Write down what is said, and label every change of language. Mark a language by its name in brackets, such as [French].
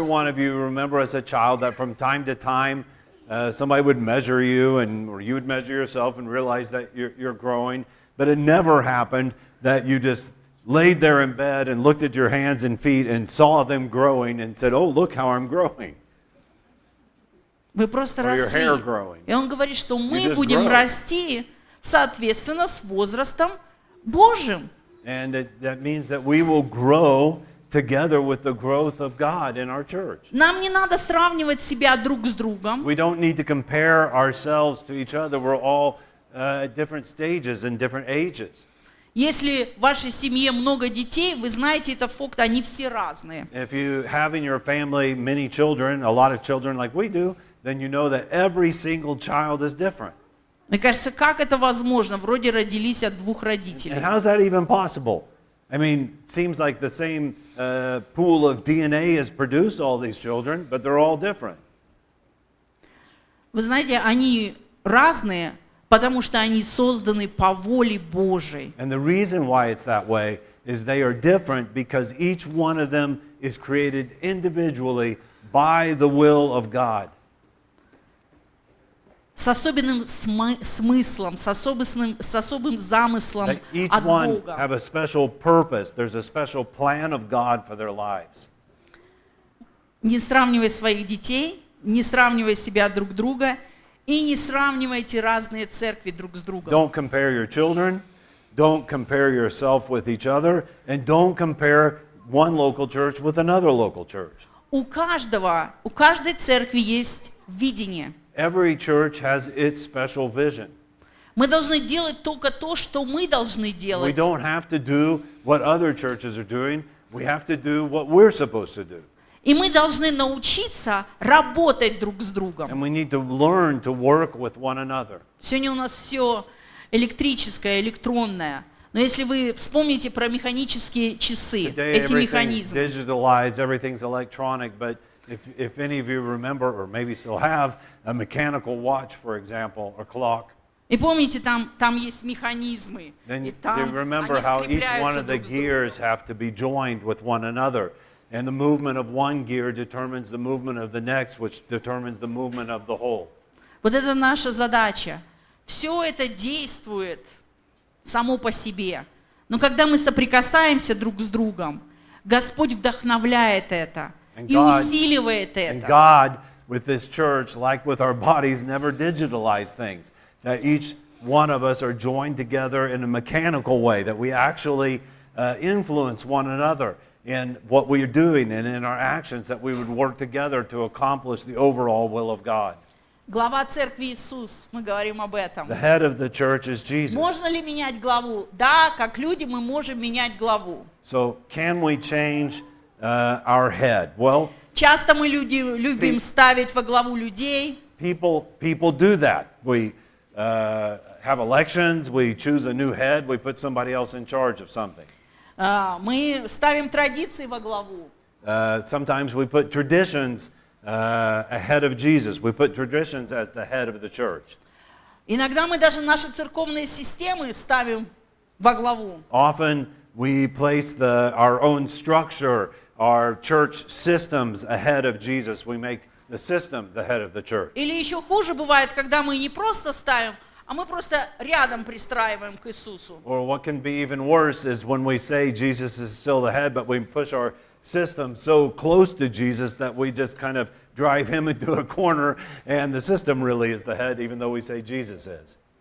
[English] Every one of you remember as a child that from time to time somebody would measure you and or you would measure yourself and realize that you're growing. But it never happened that you just laid there in bed and looked at your hands and feet and saw them growing and said, oh, look how I'm growing. [Russian] Вы просто росли. И он говорит, что мы будем расти соответственно с возрастом Божьим. [English] And that means that we will grow together with the growth of God in our church. [Russian] Нам не надо сравнивать себя друг с другом. [English] We don't need to compare ourselves to each other. We're all different stages and different ages. [Russian] Если в вашей семье много детей, вы знаете, это факт, они все разные. [English] If you have in your family many children, a lot of children like we do, then you know that every single child is different. [Russian] Мне кажется, как это возможно? Вроде родились от двух родителей. [English] And how is that even possible? I mean, seems like the same pool of DNA has produced all these children, but they're all different. [Russian] Вы знаете, они разные, потому что они созданы по воле Божьей. [English] And the reason why it's that way is they are different because each one of them is created individually by the will of God. [Russian] С особенным смыслом, с особым замыслом от Бога. [English] Each one have a special purpose. There's a special plan of God for their lives. [Russian] Не сравнивай своих детей, не сравнивай себя друг друга, и не сравнивайте разные церкви друг с другом. [English] Don't compare your children, don't compare yourself with each other, and don't compare one local church with another local church. [Russian] У каждой церкви есть видение. [English] Every church has its special vision. [Russian] Мы должны делать только то, что мы должны делать. [English] We don't have to do what other churches are doing. We have to do what we're supposed to do. [Russian] И мы должны научиться работать друг с другом. [English] And we need to learn to work with one another. [Russian] Сегодня у нас все электрическое, электронное. Но если вы вспомните про механические часы, эти механизмы. [English] Today everything's digitalized, everything's electronic, but If any of you remember, or maybe still have, a mechanical watch, for example, or clock. [Russian] И помните, там есть механизмы. [English] Then you remember how each one of the gears have to be joined with one another. And the movement of one gear determines the movement of the next, which determines the movement of the whole. [Russian] Вот это наша задача. Все это действует само по себе. Но когда мы соприкасаемся друг с другом, Господь вдохновляет это. [English] And God, with this church, like with our bodies, never digitalized things. That each one of us are joined together in a mechanical way, that we actually influence one another in what we are doing and in our actions, that we would work together to accomplish the overall will of God. [Russian] Глава церкви Иисус, мы говорим об этом. [English] The head of the church is Jesus. [Russian] Можно ли менять главу? Да, как люди мы можем менять главу. [English] So, can we change our head? Well, [Russian] часто мы люди любим ставить во главу людей. [English] People do that. We have elections, we choose a new head, we put somebody else in charge of something. [Russian] Мы ставим традиции во главу. [English] Sometimes we put traditions ahead of Jesus. We put traditions as the head of the church. [Russian] Иногда мы даже наши церковные системы ставим во главу. [English] Often we place our own structure, our church systems ahead of Jesus. We make the system the head of the church. [Russian] Или еще хуже бывает, когда мы не просто ставим, а мы просто рядом пристраиваем к Иисусу. [English] Or what can be even worse is when we say Jesus is still the head, but we push our system so close to Jesus that we just kind of drive him into a corner, and the system really is the head, even though we say Jesus is.